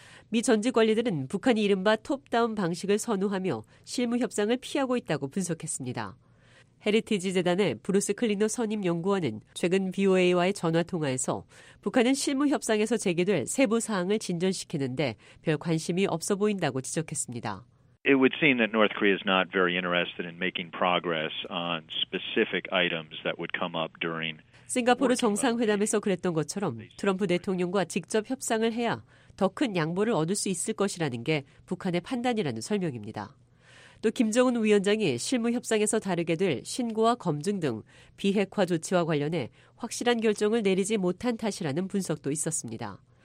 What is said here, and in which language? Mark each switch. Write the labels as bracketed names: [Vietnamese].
[Korean] 미 전직 관리들은 북한이 이른바 톱다운 방식을 선호하며 실무 협상을 피하고 있다고 분석했습니다. 헤리티지 재단의 브루스 클리너 선임 연구원은 최근 VOA와의 전화 통화에서 북한은 실무 협상에서 제기될 세부 사항을 진전시키는데 별 관심이 없어 보인다고 지적했습니다. [English] It would seem that North Korea is not very interested in making progress on specific items that would come up during [Korean] 싱가포르 정상회담에서 그랬던 것처럼 트럼프 대통령과 직접 협상을 해야 더 큰 양보를 얻을 수 있을 것이라는 게 북한의 판단이라는 설명입니다. 또 김정은 위원장이 실무 협상에서 다루게 될 신고와 검증 등 비핵화 조치와 관련해 확실한 결정을 내리지 못한 탓이라는 분석도 있었습니다.